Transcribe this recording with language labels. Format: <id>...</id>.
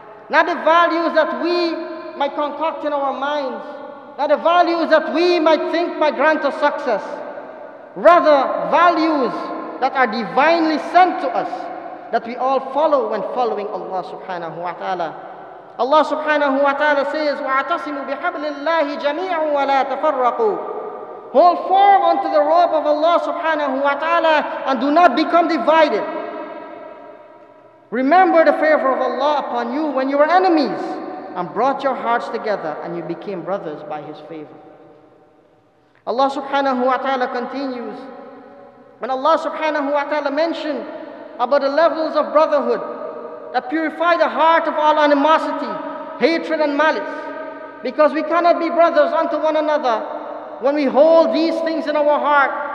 <en>Not the values that we might concoct in our minds, not the values that we might think might grant us success, rather values that are divinely sent to us that we all follow when following Allah subhanahu wa ta'ala. Allah subhanahu wa ta'ala says,</en> <ar>وَعَتَصِمُوا بِحَبْلِ اللَّهِ جَمِيعٌ وَلَا تَفَرَّقُوا.</ar> <en>Hold firm unto the rope of Allah subhanahu wa ta'ala and do not become divided. Remember the favor of Allah upon you when you were enemies and brought your hearts together and you became brothers by His favor. Allah subhanahu wa ta'ala continues. When Allah subhanahu wa ta'ala mentioned about the levels of brotherhood that purify the heart of all animosity, hatred and malice, because we cannot be brothers unto one another when we hold these things in our heart.</en>